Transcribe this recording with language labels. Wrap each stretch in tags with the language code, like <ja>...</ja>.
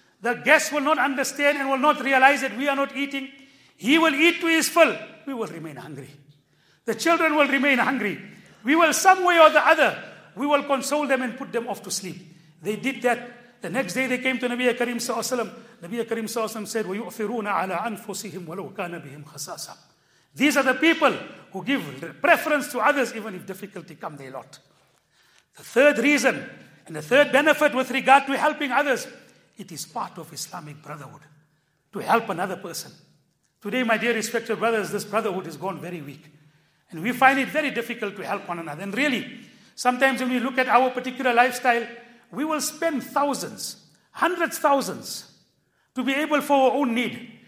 <en>The guest will not understand and will not realize that we are not eating. He will eat to his full. We will remain hungry. The children will remain hungry. We will some way or the other, we will console them and put them off to sleep. They did that. The next day they came to Nabi Karim sallallahu alaihi wasallam. Nabi Karim sallallahu alaihi wasallam said,</en> <ar>وَيُؤْثِرُونَ عَلَىٰ أَنفُسِهِمْ وَلَوْ كَانَ بِهِمْ خَسَاسًا.</ar> <en>These are the people who give preference to others even if difficulty come their lot. The third reason and the third benefit with regard to helping others, it is part of Islamic brotherhood to help another person. Today, my dear respected brothers, this brotherhood has gone very weak. And we find it very difficult to help one another. And really, sometimes when we look at our particular lifestyle, we will spend thousands, hundreds of thousands to be able for our own need.</en>